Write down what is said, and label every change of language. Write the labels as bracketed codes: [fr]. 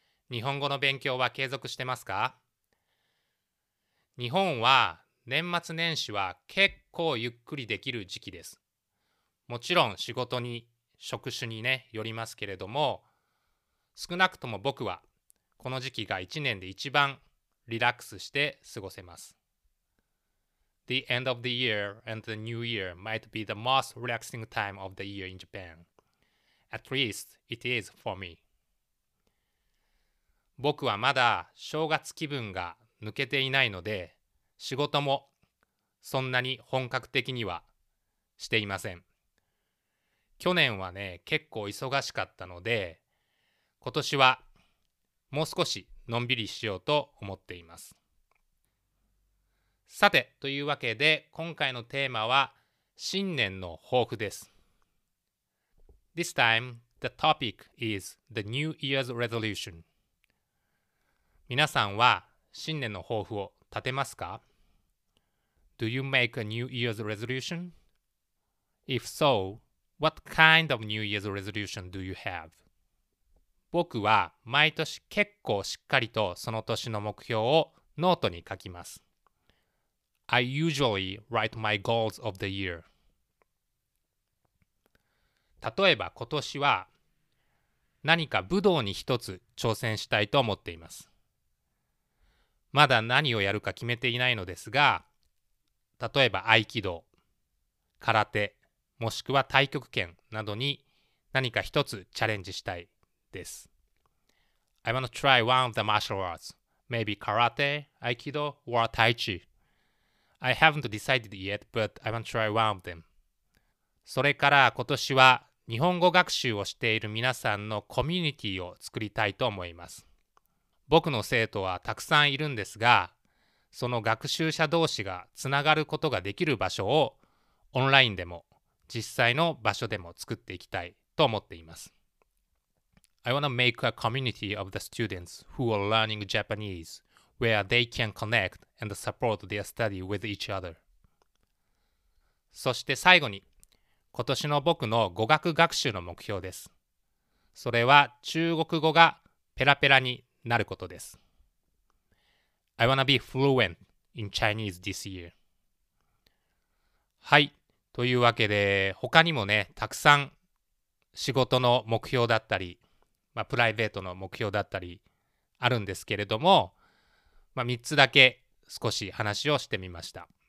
[ja] 日本語の勉強は継続してますか？日本は年末年始は結構ゆっくりできる時期です。もちろん仕事に、職種にね、よりますけれども、少なくとも僕はこの時期が1年で一番リラックスして過ごせます。 [en] The end of the year and the new year might be the most relaxing time of the year in Japan. At least it is for me. [ja] 僕はまだ正月気分が抜けていないので、仕事もそんなに本格的にはしていません。去年はね、結構忙しかったので、今年はもう少しのんびりしようと思っています。さて、というわけで今回のテーマは新年の抱負です。 [en] This time the topic is the New Year's Resolution。 [ja] 皆さんは新年の抱負を立てますか？ [en] Do you make a New Year's Resolution? If so, what kind of New Year's Resolution do you have? [ja] 僕は毎年結構しっかりとその年の目標をノートに書きます。 [en] I usually write my goals of the year. [ja] 例えば今年は何か武道に一つ挑戦したいと思っています。まだ何をやるか決めていないのですが、例えば合気道、空手、もしくは太極拳などに何か一つチャレンジしたい。です。 [en] I want to try one of the martial arts. Maybe karate, aikido, or tai chi. I haven't decided yet, but I want to try one of them. [ja] それから今年は日本語学習をしている皆さんのコミュニティを作りたいと思います。僕の生徒はたくさんいるんですが、その学習者同士がつながることができる場所をオンラインでも実際の場所でも作っていきたいと思っています。 [en] I want to make a community of the students who are learning Japanese where they can connect and support their study with each other. [ja] そして最後に、今年の僕の語学学習の目標です。それは中国語がペラペラになることです。 [en] I want to be fluent in Chinese this year. [ja] はい、というわけで他にもね、たくさん仕事の目標だったり、まあ、プライベートの目標だったりあるんですけれども、まあ、3つだけ少し話をしてみました。